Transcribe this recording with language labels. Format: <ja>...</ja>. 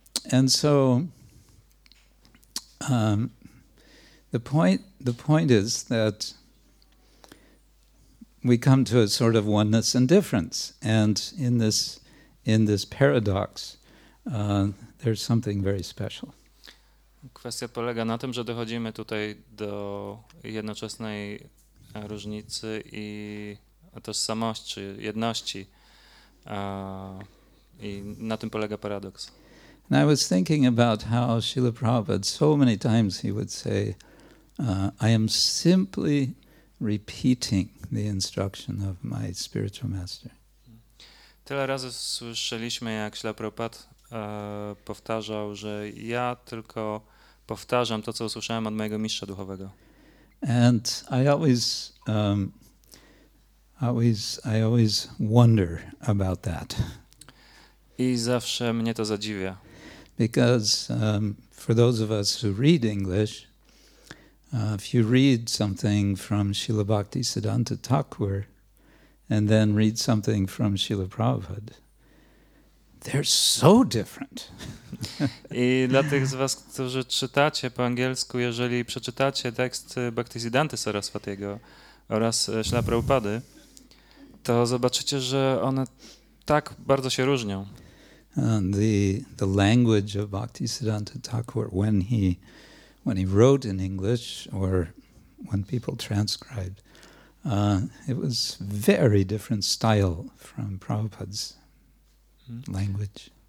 <en>And so the point is that we come to a sort of oneness and difference, and in this paradox there's something very special.</en> <pl>Kwestia polega na tym, że dochodzimy tutaj do jednoczesnej różnicy i tożsamości, jedności. I na tym polega paradoks.</pl> <en>And I was thinking about how Srila Prabhupada, so many times he would say, I am simply repeating the instruction of my spiritual master.</en> <pl>Tyle razy słyszeliśmy, jak Srila Prabhupada powtarzał, że ja tylko powtarzam to, co usłyszałem od mojego mistrza duchowego.</pl> <en>And I always always wonder about that.</en> <pl>I zawsze mnie to zadziwia.</pl> <en>Because for those of us who read English, if you read something from Srila Bhakti Siddhanta Thakur and then read something from Srila Prabhupada, they're so different.</en> <pl>I dla tych z was, którzy czytacie po angielsku, jeżeli przeczytacie tekst Bhaktisiddhanty Saraswatiego oraz Śla Prabhupady, to zobaczycie, że one tak bardzo się różnią.</pl> <en>And the language of Bhaktisiddhanta Thakur when he wrote in English or when people transcribed, it was very different style from Prabhupada's language.</en>